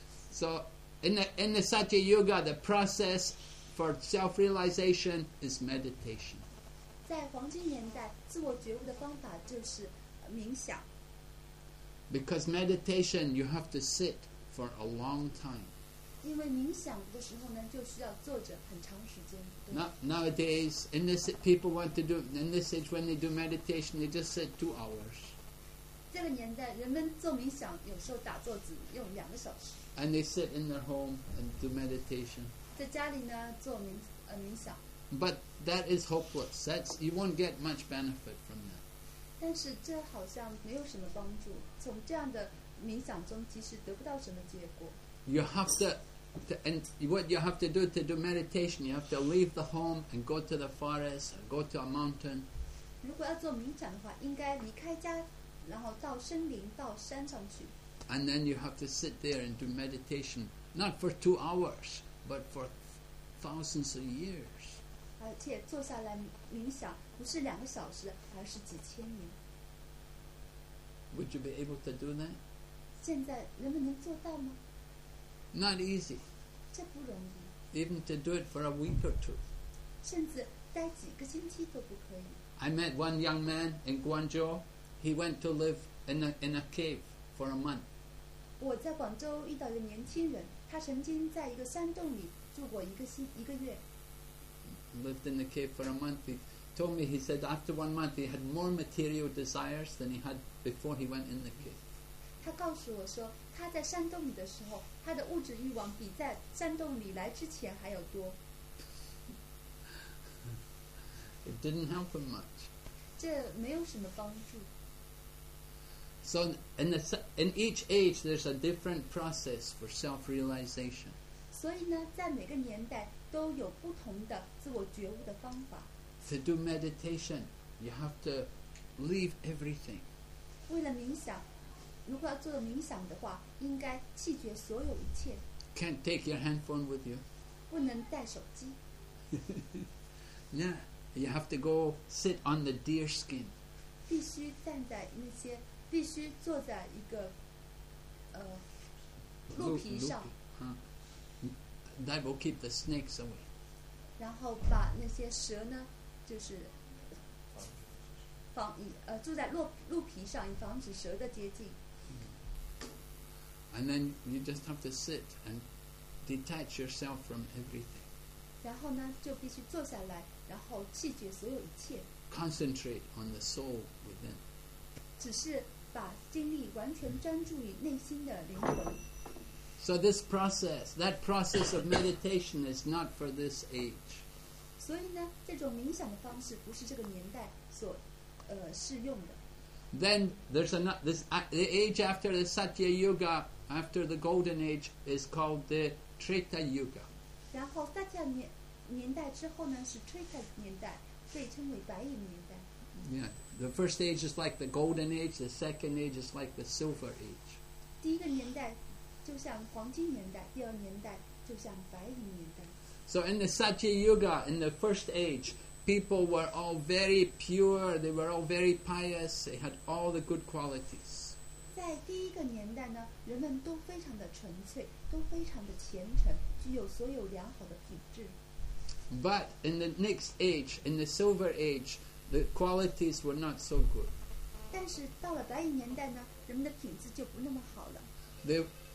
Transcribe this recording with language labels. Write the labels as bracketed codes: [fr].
[en] So, in the Satya Yuga, the process for self-realization is meditation. [zh] 在黄金年代，自我觉悟的方法就是冥想。 [en] Because meditation, you have to sit for a long time. [zh] 因为冥想的时候呢，就需要坐着很长时间。 [en] Nowadays, in this, people want to do in this age when they do meditation, they just sit 2 hours. [zh] 这个年代，人们做冥想有时候打坐只用2个小时。 [en] And they sit in their home and do meditation. [zh] 在家里呢做冥想。 [en] But that is hopeless. That's you won't get much benefit from that. [zh] 但是这好像没有什么帮助，从这样的冥想中即使得不到什么结果。 [en] You have to, and what you have to do meditation, you have to leave the home and go to the forest, go to a mountain. [zh] 如果要做冥想的话，应该离开家，然后到森林，到山上去。 [en] And then you have to sit there and do meditation, not for 2 hours, but for thousands of years. [zh] 而且坐下来冥想。不是两个小时，而是几千年。 [en] Would you be able to do that? [zh] 现在人们能做到吗？ [en] Not easy. [zh] 这不容易。 [en] Even to do it for a week or two. [zh] 甚至待几个星期都不可以。 [en] I met one young man in Guangzhou. He went to live in a cave for a month. [zh] 我在广州遇到一个年轻人，他曾经在一个山洞里住过一个月。 [en] Lived in the cave for a month. Told me, he said, after 1 month, he had more material desires than he had before he went in the cave. [zh] 他告诉我说，他在山洞里的时候，他的物质欲望比在山洞里来之前还要多。 [en] It didn't help him much. [zh] 这没有什么帮助。 [en] So in each age, there's a different process for self-realization. [zh] 所以呢，在每个年代都有不同的自我觉悟的方法。 [en] To do meditation, you have to leave everything. [zh] 为了冥想，如果要做冥想的话，应该弃绝所有一切。 [en] Can't take your handphone with you. [zh] 不能带手机。 [en] Yeah, you have to go sit on the deer skin. [zh] 必须站在那些，必须坐在一个，鹿皮上。 [en] Huh? That will keep the snakes away. [zh] 然后把那些蛇呢？就是防住在鹿皮上，以防止蛇的接近。 [en] And then you just have to sit and detach yourself from everything. [zh] 然后呢，就必须坐下来，然后弃绝所有一切。 [en] Concentrate on the soul within. [zh] 只是把精力完全专注于内心的灵魂。 [en] So this process, that process of meditation, is not for this age. [zh] 所以呢，这种冥想的方式不是这个年代所，适用的。 [en] Then there's another this the age after the Satya Yuga, after the Golden Age, is called the Treta Yuga. [zh] 然后大家年代之后呢，是 Treta 年代，被称为白银年代。 [en] Yeah, the first age is like the Golden Age. The second age is like the Silver Age. [zh] 第一个年代就像黄金年代，第二年代就像白银年代。 [en] So in the Satya Yuga, in the first age, people were all very pure, they were all very pious, they had all the good qualities. [zh] 在第一个年代呢，人们都非常的纯粹，都非常的虔诚，具有所有良好的品质。 [en] But in the next age, in the Silver Age, the qualities were not so good. [zh] 但是到了白银年代呢，人们的品质就不那么好了。